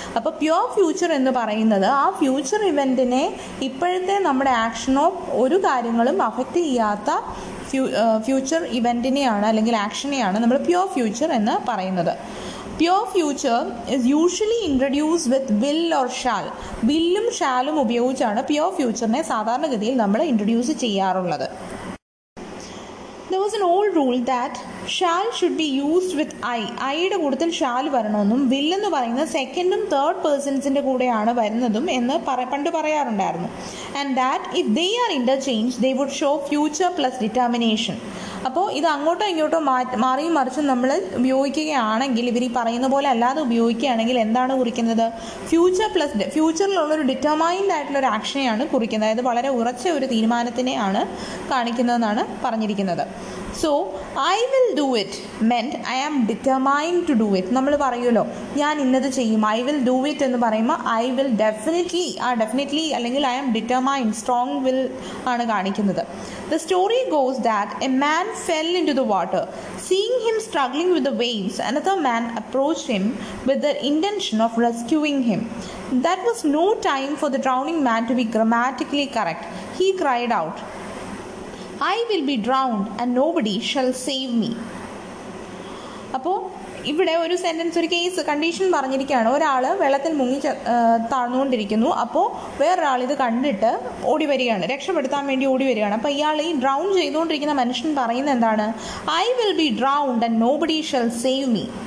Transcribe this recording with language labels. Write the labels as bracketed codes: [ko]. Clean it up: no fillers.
[ml] അപ്പോൾ pure future എന്ന് പറയുന്നത് ആ ഫ്യൂച്ചർ ഇവൻറ്റിനെ ഇപ്പോഴത്തെ നമ്മുടെ ആക്ഷനോ ഒരു കാര്യങ്ങളും അഫക്റ്റ് ചെയ്യാത്ത ഫ്യൂച്ചർ ഇവൻറ്റിനെയാണ് അല്ലെങ്കിൽ ആക്ഷനെയാണ് നമ്മൾ പ്യുവർ ഫ്യൂച്ചർ എന്ന് പറയുന്നത്. [en] Pure future is usually introduced with will or shall. [ml] വില്ലും ഷാലും ഉപയോഗിച്ചാണ് പ്യുവർ ഫ്യൂച്ചറിനെ സാധാരണഗതിയിൽ നമ്മൾ ഇൻട്രൊഡ്യൂസ് ചെയ്യാറുള്ളത്. [en] There was an old rule that shall should be used with I. [ml] I-യുടെ കൂടുതൽ ഷാൽ വരണമെന്നും വിൽ എന്ന് പറയുന്നത് സെക്കൻഡും തേർഡ് പേഴ്സൺസിൻ്റെ കൂടെയാണ് വരുന്നതും എന്ന് പണ്ട് പറയാറുണ്ടായിരുന്നു. [en] And that if they are interchange they would show future plus determination. [ml] അപ്പോൾ ഇത് അങ്ങോട്ടോ ഇങ്ങോട്ടോ മാറിയും മറിച്ചും നമ്മൾ ഉപയോഗിക്കുകയാണെങ്കിൽ, ഇവർ ഈ പറയുന്ന പോലെ അല്ലാതെ ഉപയോഗിക്കുകയാണെങ്കിൽ എന്താണ് കുറിക്കുന്നത്? ഫ്യൂച്ചർ പ്ലസ് ഫ്യൂച്ചറിലുള്ളൊരു ഡിറ്റർമൈൻഡ് ആയിട്ടുള്ള ഒരു ആക്ഷനെയാണ് കുറിക്കുന്നത്. അതായത് വളരെ ഉറച്ച ഒരു തീരുമാനത്തിനെയാണ് കാണിക്കുന്നതെന്നാണ് പറഞ്ഞിരിക്കുന്നത്. [en] So I will do it meant I am determined to do it. [ml] നമ്മൾ പറയുമല്ലോ ഞാൻ ഇന്നത് ചെയ്യും, [en] I will do it [ml] എന്ന് പറയുമ്പോൾ ഐ വിൽ ഡെഫിനറ്റ്ലി ആ ഡെഫിനറ്റ്ലി അല്ലെങ്കിൽ [en] I am determined strong will [ml] ആണ് കാണിക്കുന്നത്. [en] The story goes that a man fell into the water. Seeing him struggling with the waves, another man approached him with the intention of rescuing him. That was no time for the drowning man to be grammatically correct. He cried out, I will be drowned and nobody shall save me. [ml] അപ്പോൾ ഇവിടെ ഒരു sentence, ഒരു case condition പറഞ്ഞിരിക്കുകയാണ്. ഒരാൾ വെള്ളത്തിൽ മുങ്ങി താഴ്ന്നുകൊണ്ടിരിക്കുന്നു. അപ്പോൾ വേറൊരാൾ ഇത് കണ്ടിട്ട് ഓടി വരികയാണ്, രക്ഷപ്പെടുത്താൻ വേണ്ടി ഓടി വരികയാണ്. അപ്പോൾ ഇയാൾ ഈ ഡ്രൗൺ ചെയ്തുകൊണ്ടിരിക്കുന്ന മനുഷ്യൻ പറയുന്നത് എന്താണ്? [en] I will be drowned and nobody shall save me.